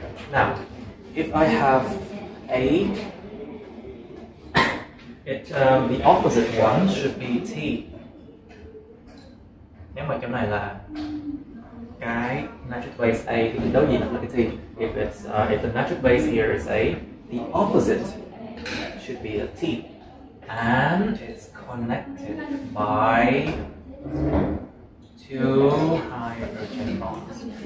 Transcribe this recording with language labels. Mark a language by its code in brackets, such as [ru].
[en] Now, if I have A, the opposite one should be T. [vi] Nếu mà trong này là cái nitric base A thì đối diện là cái T. [en] If it's if the nitric base here is A, the opposite should be a T, and it's connected by two hydrogen bonds.